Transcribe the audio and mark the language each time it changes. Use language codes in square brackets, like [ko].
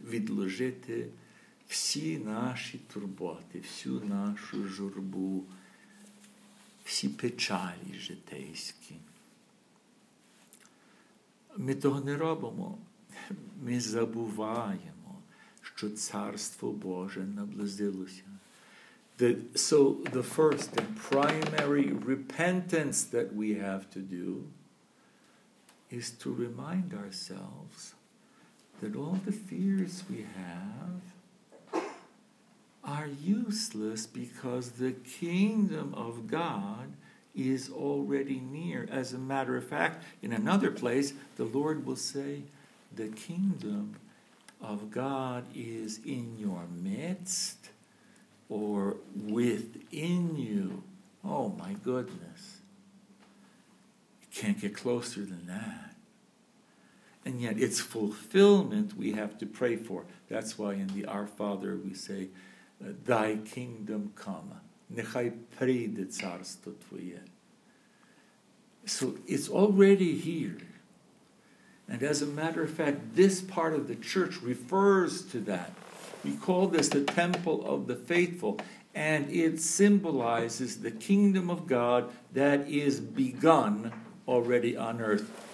[uk] Відложити всі наші турботи, всю нашу журбу, всі печалі житейські. Ми того не робимо. Ми забуваємо, що Царство Боже наблизилося. [en] So the first and primary repentance that we have to do is to remind ourselves that all the fears we have are useless because the kingdom of God is already near. As a matter of fact, in another place, the Lord will say, the kingdom of God is in your midst or within you. Oh my goodness. You can't get closer than that. And yet its fulfillment we have to pray for. That's why in the Our Father we say, Thy kingdom come. [uk] Нехай прийде царство Твоє. [en] So it's already here. And as a matter of fact, this part of the church refers to that. We call this the temple of the faithful. And it symbolizes the kingdom of God that is begun already on earth.